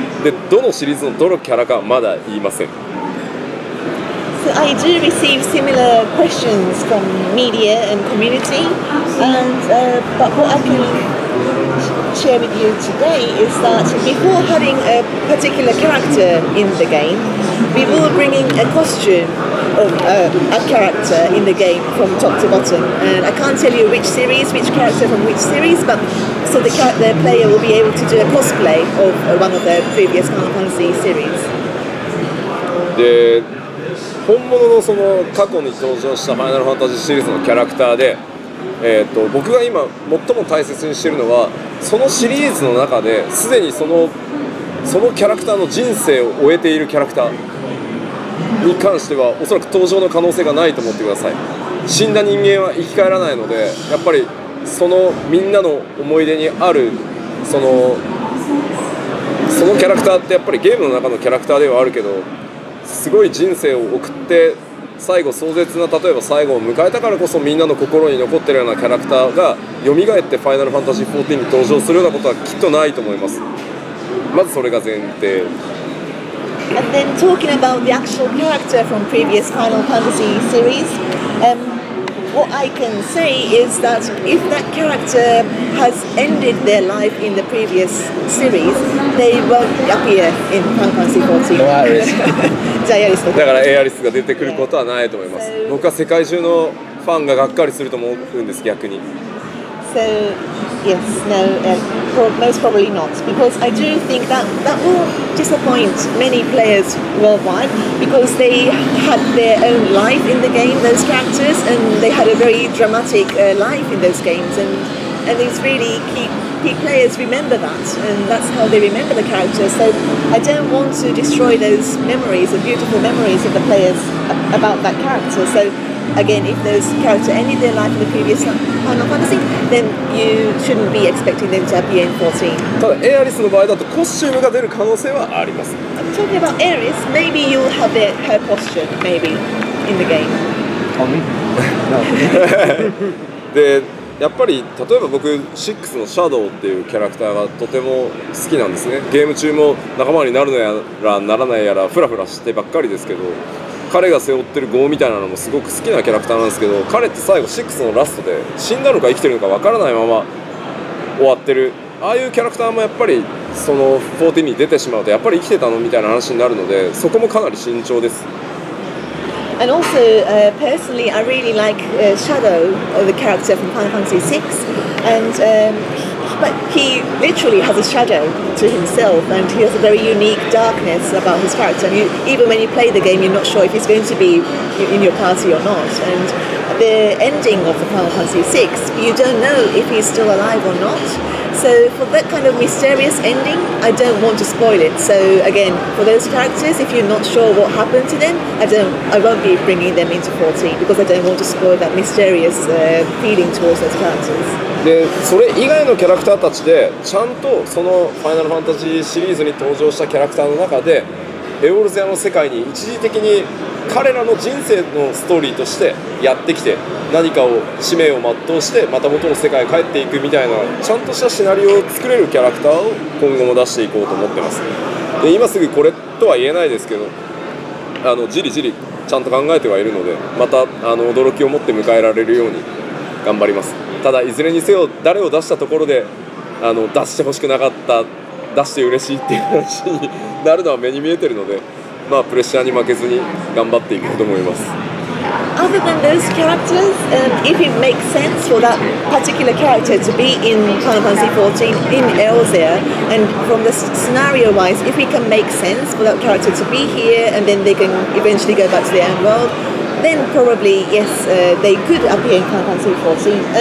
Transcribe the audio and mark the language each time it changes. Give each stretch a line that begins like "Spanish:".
Japanese: で、どのシリーズのどのキャラかまだ言いません。
English: So I do receive similar questions from media and community, but what I can share with you today is that before having a particular character in the game, we will bring in a costume of a character in the game from top to bottom. And I can't tell you which series, which character from which series, but so the player will be able to do a cosplay of one of the previous Final Fantasy series. Yeah.
Japanese: 本物のその過去に登場したファイナルファンタジーシリーズのキャラクターで、僕が今最も大切にしているのはそのシリーズの中ですでにそのキャラクターの人生を終えているキャラクターに関してはおそらく登場の可能性がないと思ってください。死んだ人間は生き返らないのでやっぱりそのみんなの思い出にあるそのキャラクターってやっぱりゲームの中のキャラクターではあるけどすごい人生を送って最後壮絶な例えば最後を迎えたからこそみんなの心に残ってるようなキャラクターが蘇ってファイナルファンタジー14に登場するようなことはきっとないと思います。まずそれが前提。
English: And then talking about the actual character from previous Final Fantasy series, what I can say is that if that character has ended their life in the previous series, they won't appear in Final Fantasy 14. No, Aeris.
Japanese: だからエアリスが出てくることはないと思います。僕は世界中のファンががっかりすると思うんです、逆に。
English: So, yes, no, most probably not. Because I do think that will disappoint many players worldwide because they had their own life in the game, those characters, and they had a very dramatic life in those games. And it's really key players remember that, and that's how they remember the characters. So I don't want to destroy those memories, the beautiful memories of the players about that character. So again, if those characters ended their life in the previous Final Fantasy, then you shouldn't be expecting them to appear in 14.
Japanese: ただエアリスの場合だとコスチュームが出る可能性はあります。
English: I'm talking about Aeris, maybe you'll have her costume, maybe, in the game. Tommy? No.
Japanese: やっぱり例えば僕6のシャドウっていうキャラクターがとても好きなんですね。ゲーム中も仲間になるのやらならないやらフラフラしてばっかりですけど、彼が背負ってる業みたいなのもすごく好きなキャラクターなんですけど、彼って最後6のラストで死んだのか生きてるのかわからないまま終わってる。ああいうキャラクターもやっぱりその14に出てしまうとやっぱり生きてたのみたいな話になるので、そこもかなり慎重です。
English: And also, personally, I really like Shadow, the character from Final Fantasy VI. And, but he literally has a shadow to himself, and he has a very unique darkness about his character. And even when you play the game, you're not sure if he's going to be in your party or not. And the ending of the Final Fantasy VI, you don't know if he's still alive or not. So for that kind of mysterious ending, I don't want to spoil it. So again, for those characters, if you're not sure what happened to them, I won't be bringing them into 14 because I don't want to spoil that mysterious feeling towards those characters.
Japanese: で、それ以外のキャラクターたちで、ちゃんとそのファイナルファンタジーシリーズに登場したキャラクターの中で、エオルゼアの世界に一時的に彼らの人生のストーリーとしてやってきて、何かを使命を全うしてまた元の世界へ帰っていくみたいな、ちゃんとしたシナリオを作れるキャラクターを今後も出していこうと思ってます。で、今すぐこれとは言えないですけど、じりじりちゃんと考えてはいるので、また驚きを持って迎えられるように頑張ります。ただいずれにせよ誰を出したところで出してほしくなかった、出して嬉しいっていう話になるのは目に見えてるので、まあプレッシャーに負けずに頑張っていこうと思います。
English: Other than those characters, if it makes sense for that particular character to be in Final Fantasy XIV in Eorzea, and from the scenario-wise, if it can make sense for that character to be here and then they can eventually go back to their own world, then probably, yes, they could appear in Final Fantasy XIV.